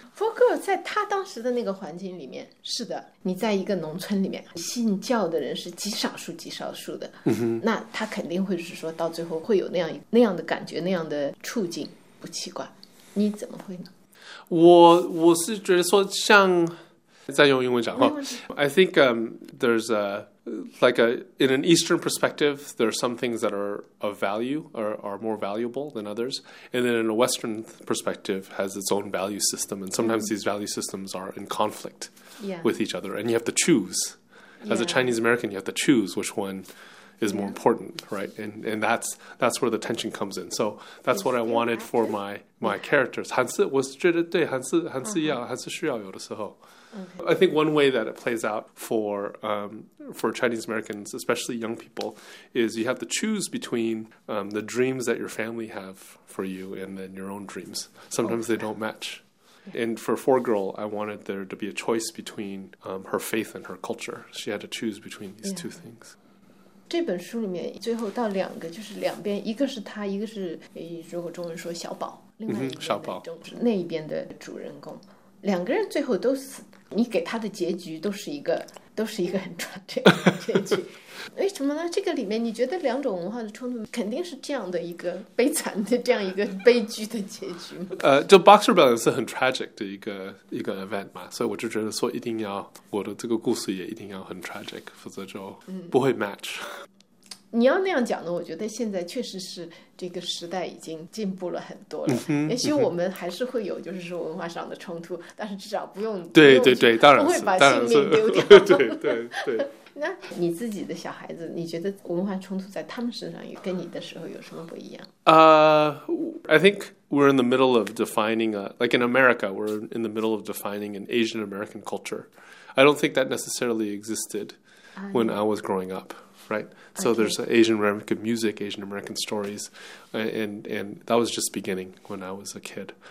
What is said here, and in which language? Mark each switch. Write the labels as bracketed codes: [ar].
[zh] ，Four Girl 在他当时的那个环境里面，是的，你在一个农村里面，信教的人是极少数极少数的，嗯哼，那他肯定会是说到最后会有那样的感觉，那样的处境，不奇怪。你怎么会呢？我是觉得说像。再用英文讲话 [en] I think there's in an Eastern perspective, there are some things that are of value or are more valuable than others. And then in a Western perspective has its own value system. And sometimes these value systems are in conflict with each other. And you have to choose. As a Chinese American, you have to choose which one is more important, right? And that's where the tension comes in. So that's what I wanted for my characters. [zh] 还是需要有的时候。 [en] Okay. I think one way that it plays out for Chinese Americans, especially young people, is you have to choose between the dreams that your family have for you and then your own dreams. Sometimes they don't match. Yeah. And for Four Girl, I wanted there to be a choice between her faith and her culture. She had to choose between these two things. [zh] 这本书里面最后到两个，就是两边，一个是他，一个是如果中文说小宝，另外一边的小宝，就是那一边的主人公。两个人最后都死，你给他的结局都是一个很转折的结局。为什么呢？这个里面你觉得两种文化的冲突肯定是这样的一个悲惨的这样一个悲剧的结局吗？就 Boxer Rebellion 是很 tragic 的一个 event 嘛，所以我就觉得说一定要我的这个故事也一定要很 tragic， 否则就不会 match。你要那样讲的，我觉得现在确实是这个时代已经进步了很多了。也许我们还是会有就是说文化上的冲突，但是至少不用对对对，当然是不会把性命丢掉。对对对。那你自己的小孩子，你觉得文化冲突在他们身上跟你的时候有什么不一样？ [en] I think we're in the middle of defining like in America, we're in the middle of defining an Asian American culture. I don't think that necessarily existed when I was growing up. Right, so okay. There's Asian American music, Asian American stories, and that was just beginning when I was a kid.